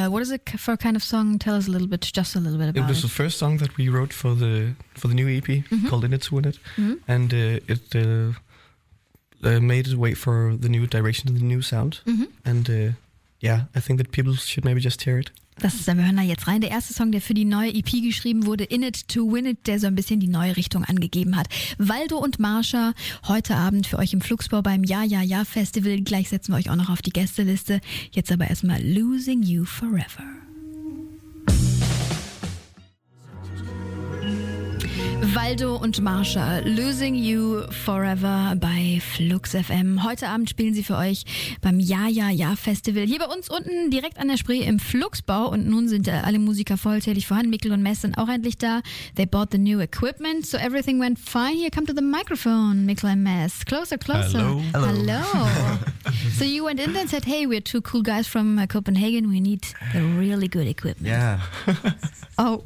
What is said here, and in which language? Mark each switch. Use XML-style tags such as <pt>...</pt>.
<en>What is it for kind of song? Tell us a little bit, just a little bit about it. It was the first song that we wrote for the new EP, mm-hmm. called In It To Win It. Mm-hmm. And it made its way for the new direction and the new sound. Mm-hmm. And I think that people should maybe just hear it.</en> <de>Das ist, wir hören da jetzt rein. Der erste Song, der für die neue EP geschrieben wurde, In It To Win It, der so ein bisschen die neue Richtung angegeben hat. Waldo und Marsha, heute Abend für euch im Fluxbau beim Ja, Ja, Ja Festival. Gleich setzen wir euch auch noch auf die Gästeliste. Jetzt aber erstmal Losing You Forever. Waldo und Marsha, Losing You Forever bei Flux FM. Heute Abend spielen sie für euch beim Ja, Ja, Ja Festival. Hier bei uns unten direkt an der Spree im Fluxbau. Und nun sind alle Musiker vollzählig vorhanden. Mikkel und Mess sind auch endlich da.</de> <en>They bought the new equipment, so everything went fine. Here, come to the microphone, Mikkel and Mess. Closer, closer. Hello. Hello. So you went in there and said, hey, we're two cool guys from Copenhagen. We need the really good equipment. Yeah. Oh,</en>